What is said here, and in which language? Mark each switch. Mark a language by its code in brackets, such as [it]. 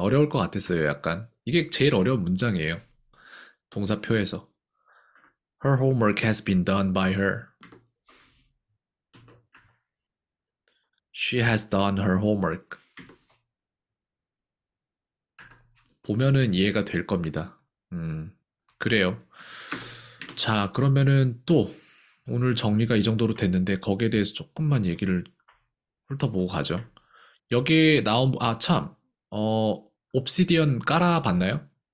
[ko] 어려울 것 같았어요, 약간. 이게 제일 어려운 문장이에요. 동사표에서. [en] Her homework has been done by her. She has done her homework. [ko] 보면은 이해가 될 겁니다. 그래요. 자, 그러면은 또. 오늘 정리가 이 정도로 됐는데, 거기에 대해서 조금만 얘기를 훑어보고 가죠. 여기에 나온, 아, 참, 옵시디언 깔아봤나요?